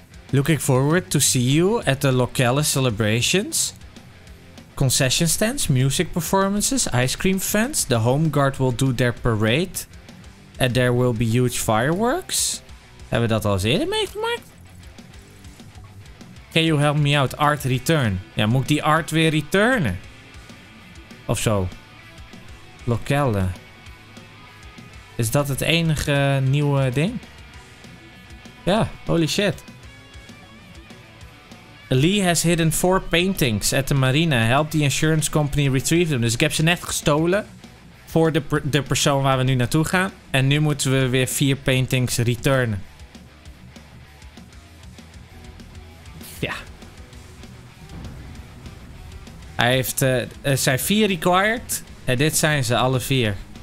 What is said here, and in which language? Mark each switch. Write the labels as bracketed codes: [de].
[en] Looking forward to see you at the locale celebrations. Concession stands, music performances, ice cream fans. The home guard will do their parade. And there will be huge fireworks. [nl] Hebben we dat al eens eerder meegemaakt? [en] Can you help me out? Art return. [nl] Ja, moet ik die art weer returnen? Of zo. Locale. Is dat het enige nieuwe ding? Ja, holy shit. [en] Lee has hidden 4 paintings at the marina. Help the insurance company retrieve them. [nl] Dus ik heb ze net gestolen. Voor de persoon waar we nu naartoe gaan. En nu moeten we weer 4 paintings returnen. Ja. Hij heeft... Er zijn 4 required. En dit zijn ze, alle 4.